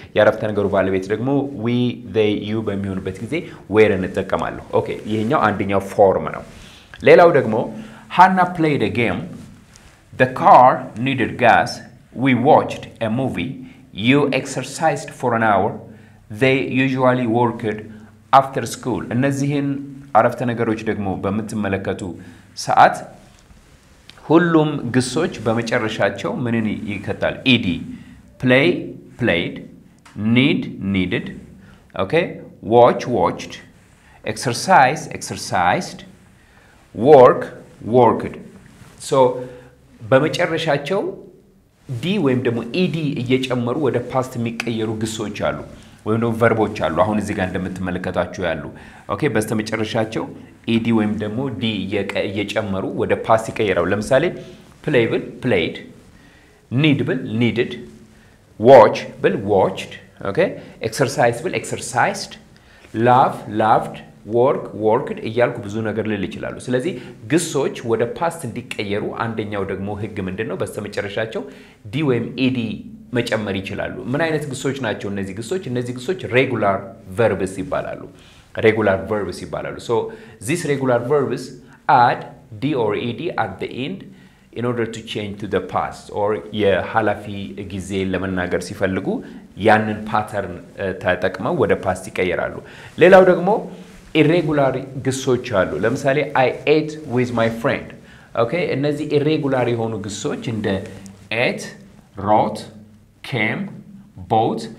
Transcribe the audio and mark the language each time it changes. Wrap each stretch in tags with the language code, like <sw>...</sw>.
<am>ያረፍተ ነገሩ ባለቤት ደግሞ we, they, you በሚሆንበት ጊዜ were እንጠቀማለሁ. ኦኬ, ይሄኛው አንደኛው ፎርም ነው.</am> <en>ሌላው ደግሞ Hannah played a game. The car needed gas. We watched a movie. You exercised for an hour. They usually worked after school.</en> <am>እነዚህን አረፍተ ነገሮች ደግሞ በምትመለከቱ ሰዓት ሁሉም ግሶች በመጨረሻቸው ምንን ይከታል?</am> <en>ኢዲ play played need needed okay watch watched exercise exercised work worked.</en> <am>So በመጨረሻቸው ዲ ወይም ደግሞ ኢዲ እየጨመሩ ወደ ፓስት የሚቀየሩ ግሶች አሉ ወይም ደግሞ ቨርቦች አሉ አሁን እዚህ ጋር እንደምትመለከታችሁ ያሉ. ኦኬ, በስተመጨረሻቸው ኢዲ ወይም ደግሞ ዲ እየጨመሩ ወደ ፓስት ይቀየራሉ. ለምሳሌ play will played need will needed watch will watched okay exercise will exercised love loved work worked እያልኩ ብዙ ነገር ልል ይችላሉ. ስለዚህ ግሶች ወደ ፓስት እንዲቀየሩ አንደኛው ደግሞ ህግ ምንድነው? በስተመጨረሻቸው ዲ ወይም ኢዲ መጨመር ይችላሉ. ምን አይነት ግሶች ናቸው እነዚህ ግሶች? እነዚህ ግሶች regular verbs ይባላሉ.</am> <en>Regular verbs</en> <am>ይባላሉ.</am> <en>So, these regular verbs add D or ED at the end in order to change to the past.</en> <am>Or, የሐላፊ ጊዜ ለመናገር ሲፈልጉ ያንን pattern ተጠቅመው ወደ past ይቀየራሉ. ሌላው ደግሞ irregular ግሶች አሉ.</am> <en>ለምሳሌ, I ate with my friend. Okay,</en> <am>እነዚህ irregular የሆኑ ግሶች እንደ</am> <en>ate, wrote, came, bought.</en>